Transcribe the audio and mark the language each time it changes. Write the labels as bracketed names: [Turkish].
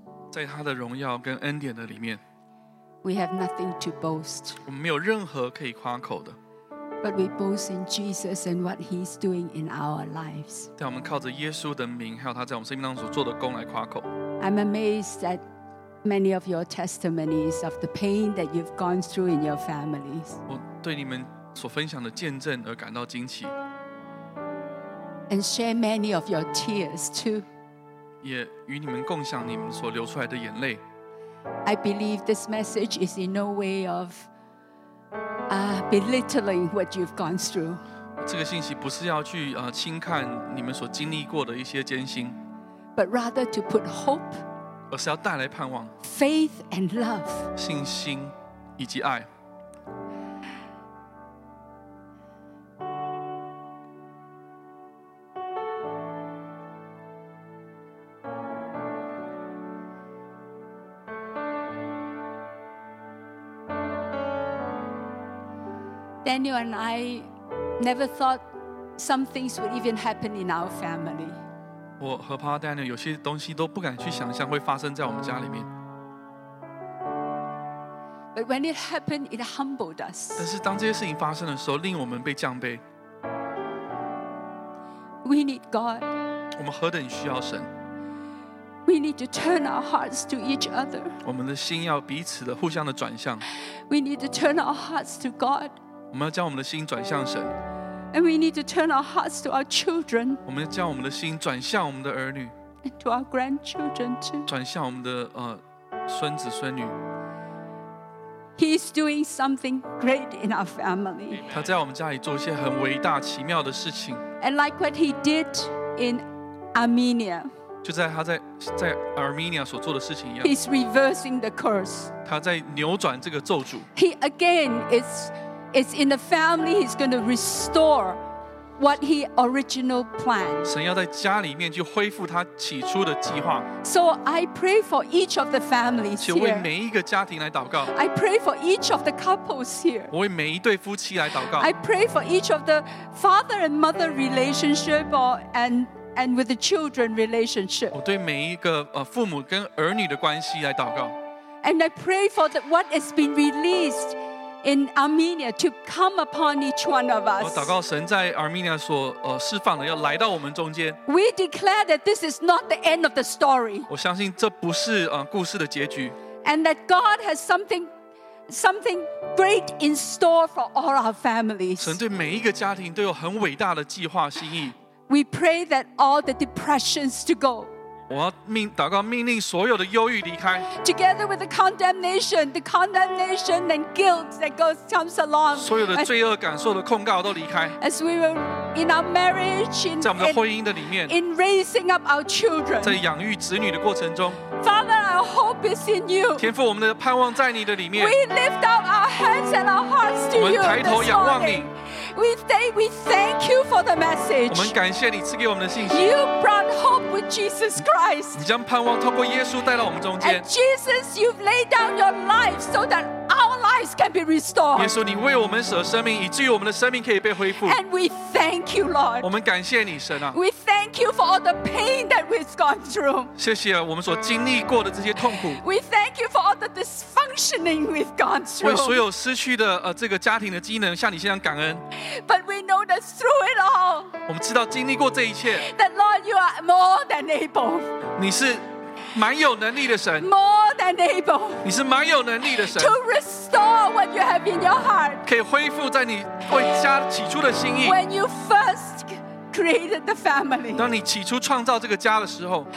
[Chinese] 在他的荣耀跟恩典的里面, [English] we have nothing to boast. [Chinese] 我们没有任何可以夸口的。 [English] But we boast in Jesus and what He's doing in our lives. [Chinese] 但我们靠着耶稣的名，还有他在我们生命当中所做的工来夸口。 [English] I'm amazed that many of your testimonies of the pain that you've gone through in your families. [Chinese] 我对你们所分享的见证而感到惊奇。 [English] And share many of your tears too. [Chinese] 也与你们共享你们所流出来的眼泪。 [English] I believe this message is in no way of belittling what you've gone through. [Chinese] 这个信息不是要去轻看你们所经历过的一些艰辛。 [English] But rather to put hope, faith and love, [Chinese] 信心以及爱, [English] Daniel and I never thought some things would even happen in our family. [Chinese] 我和帕拉丹尼有些东西都不敢去想象会发生在我们家里面。 [English] But when it happened, it humbled us. [Chinese] 但是当这些事情发生的时候，令我们被降卑。 [English] We need God. [Chinese] 我们何等需要神。 [English] We need to turn our hearts to each other. [Chinese] 我们的心要彼此的互相的转向。 [English] We need to turn our hearts to God. [Chinese] 我们要将我们的心转向神。 [English] And we need to turn our hearts to our children. [Chinese] 我们要将我们的心转向我们的儿女。 [English] And to our grandchildren too. [Chinese] 转向我们的孙子孙女。 [English] He's doing something great in our family. [Chinese] 他在我们家里做一些很伟大奇妙的事情。 [English] And like what he did in Armenia. [Chinese] 就在他在 Armenia 所做的事情一样。 [English] He's reversing the curse. [Chinese] 他在扭转这个咒诅。 [English] He again is in the family. He's going to restore what he original planned. [Chinese] 神要在家里面去恢复他起初的计划。 [English] So I pray for each of the families here. [Chinese] 请为每一个家庭来祷告。 [English] I pray for each of the couples here. [Chinese] 我为每一对夫妻来祷告。 [English] I pray for each of the father and mother relationship and with the children relationship. [Chinese] 我对每一个父母跟儿女的关系来祷告。 [English] And I pray for the, what has been released in Armenia to come upon each one of us. [Chinese] 我祷告神在Armenia所释放的要来到我们中间。 [English] We declare that this is not the end of the story. [Chinese] 我相信这不是故事的结局。 [English] And that God has something great in store for all our families. [Chinese] 神对每一个家庭都有很伟大的计划心意。 [English] We pray that all the depressions to go. [Chinese] 我要祷告命令所有的忧郁离开。 [English] Together with the condemnation and guilt that comes along. [Chinese] 所有的罪恶感受的控告都离开。 [English] As we were in our marriage, in [Chinese] 在我们的婚姻的里面, [English] in raising up our children. [Chinese] 在养育子女的过程中。 [English] Father, our hope is in you. [Chinese] 天父，我们的盼望在你的里面。 [English] We lift up our hands and our hearts to you. [Chinese] 我们抬头仰望你。 [English] We thank you for the message. [Chinese] 我们感谢你赐给我们的信息。 [English] You brought hope with Jesus Christ. [Chinese] 你将盼望透过耶稣带到我们中间。 [English] And Jesus, you've laid down your life so that our lives can be restored. [Chinese] 耶稣，你为我们舍生命，以至于我们的生命可以被恢复。 [English] And we thank you, Lord. [Chinese] 我们感谢你，神啊。 [English] We thank you for all the pain that we've gone through. [Chinese] 谢谢我们所经历过的这些痛苦。 [English] We thank you for all the dysfunctioning we've gone through. [Chinese] 为所有失去的这个家庭的机能，向你献上感恩。 [English] But we know that through it all, [Chinese] 我们知道经历过这一切, [English] that Lord, you are more than able. [Chinese] 你是蛮有能力的神, [English] more than able. [Chinese] 你是蛮有能力的神, [English] to restore what you have in your heart. [Chinese] 可以恢复在你为家起初的心意, [English] when you first created the family. [Chinese] 当你起初创造这个家的时候,